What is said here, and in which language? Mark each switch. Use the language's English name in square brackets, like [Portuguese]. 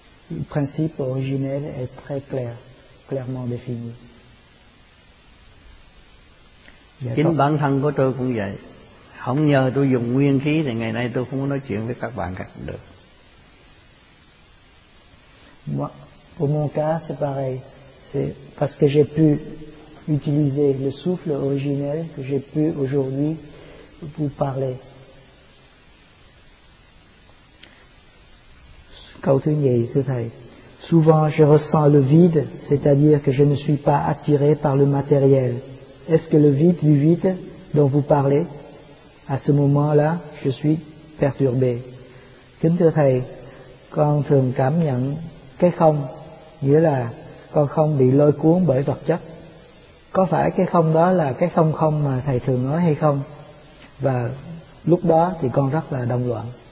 [French] Le principe originel est très clair, clairement défini. [Vietnamese] Chính bản thân của tôi cũng vậy. Không nhờ tôi dùng nguyên khí thì ngày nay tôi không có nói chuyện với các bạn cả được. [French] Moi, pour mon cas, c'est pareil. C'est parce que j'ai pu utiliser le souffle originel que j'ai pu aujourd'hui vous parler. [Vietnamese] Câu thứ nhì, thưa thầy. [French] Souvent, je ressens le vide, c'est-à-dire que je ne suis pas attiré par le matériel. Est-ce que le vide du vide dont vous parlez, à ce moment-là, je suis perturbé? [Vietnamese] Kính thưa thầy, con thường cảm nhận cái không, nghĩa là con không bị lôi cuốn bởi vật chất. Có phải cái không đó là cái không không mà thầy thường nói hay không? Và lúc đó thì con rất là động loạn.